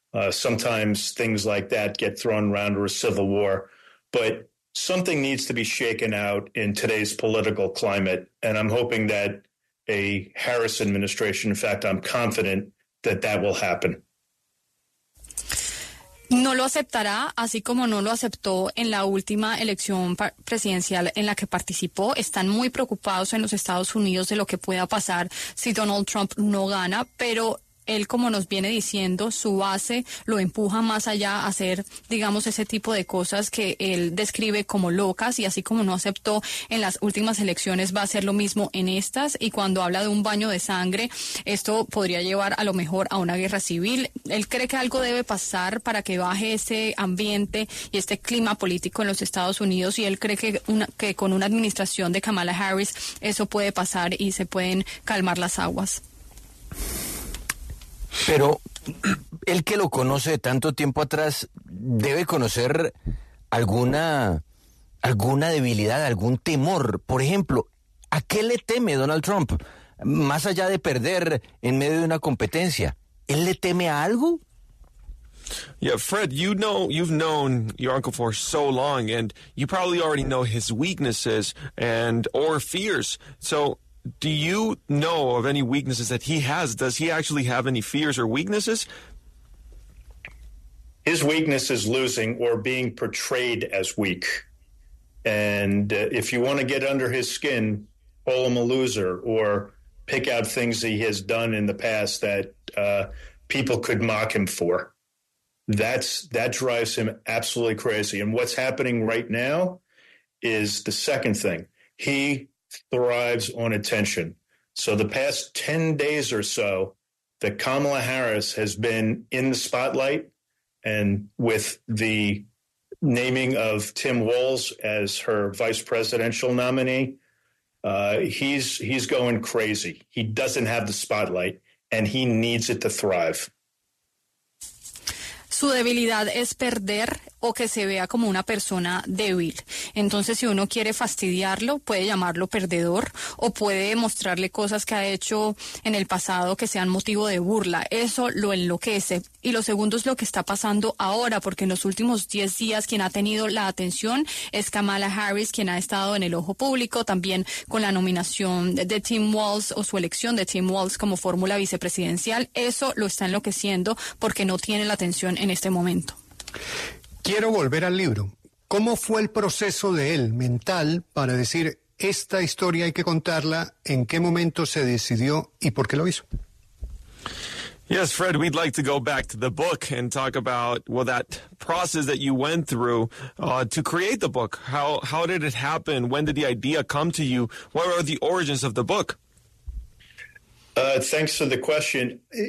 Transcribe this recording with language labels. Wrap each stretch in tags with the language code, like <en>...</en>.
<en>Sometimes things like that get thrown around, or a civil war. But something needs to be shaken out in today's political climate. And I'm hoping that a Harris administration, in fact, I'm confident that that will happen.</en> <es>No lo aceptará, así como no lo aceptó en la última elección presidencial en la que participó. Están muy preocupados en los Estados Unidos de lo que pueda pasar si Donald Trump no gana, pero él, como nos viene diciendo, su base lo empuja más allá a hacer, digamos, ese tipo de cosas que él describe como locas, y así como no aceptó en las últimas elecciones, va a hacer lo mismo en estas. Y cuando habla de un baño de sangre, esto podría llevar a lo mejor a una guerra civil. Él cree que algo debe pasar para que baje ese ambiente y este clima político en los Estados Unidos, y él cree que con una administración de Kamala Harris eso puede pasar y se pueden calmar las aguas. Pero el que lo conoce de tanto tiempo atrás debe conocer alguna debilidad, algún temor. Por ejemplo, ¿a qué le teme Donald Trump? Más allá de perder en medio de una competencia, ¿él le teme a algo?</es> <en>Yeah, Fred, you know, you've known your uncle for so long, and you probably already know his weaknesses and or fears. So do you know of any weaknesses that he has? Does he actually have any fears or weaknesses? His weakness is losing or being portrayed as weak. And if you want to get under his skin, call him a loser or pick out things he has done in the past that people could mock him for. That drives him absolutely crazy. And what's happening right now is the second thing. He thrives on attention. So the past 10 days or so, that Kamala Harris has been in the spotlight, and with the naming of Tim Walz as her vice presidential nominee, he's going crazy. He doesn't have the spotlight, and he needs it to thrive.</en> <es>Su debilidad es perder o que se vea como una persona débil. Entonces, si uno quiere fastidiarlo, puede llamarlo perdedor o puede mostrarle cosas que ha hecho en el pasado que sean motivo de burla. Eso lo enloquece. Y lo segundo es lo que está pasando ahora, porque en los últimos 10 días quien ha tenido la atención es Kamala Harris, quien ha estado en el ojo público, también con la nominación de Tim Walz o su elección de Tim Walz como fórmula vicepresidencial. Eso lo está enloqueciendo porque no tiene la atención en este momento. Quiero volver al libro. ¿Cómo fue el proceso de él mental para decir esta historia hay que contarla? ¿En qué momento se decidió y por qué lo hizo?</es> <en>Yes, Fred, we'd like to go back to the book and talk about, well, that process that you went through to create the book. How did it happen? When did the idea come to you? What are the origins of the book? Thanks for the question.</en>